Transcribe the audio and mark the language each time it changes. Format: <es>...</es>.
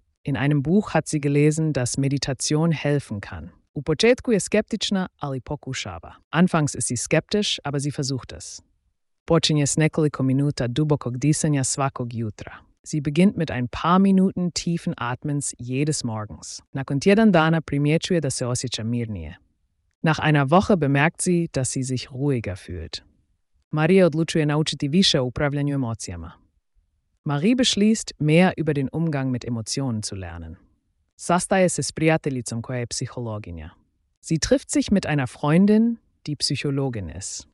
<de>In einem Buch hat sie gelesen, dass Meditation helfen kann.</de> <hr>U početku je skeptična, ali pokušava.</hr> <de>Anfangs ist sie skeptisch, aber sie versucht es.</de> <hr>počinje s nekoliko minuta dubokog disanja svakog jutra.</hr> <de>Sie beginnt mit ein paar Minuten tiefen Atmens jedes Morgens.</de> <hr>Nakon tjedan dana primjećuje da se osjeća mirnije.</hr> <de>Nach einer Woche bemerkt sie, dass sie sich ruhiger fühlt.</de> <hr>Marie odlučuje naučiti više o upravljanju emocijama.</hr> <de>Marie beschließt, mehr über den Umgang mit Emotionen zu lernen.</de> <hr>Sastaje se s prijateljicom koja je psihologinja.</hr> <de>Sie trifft sich mit einer Freundin, die Psychologin ist.</de>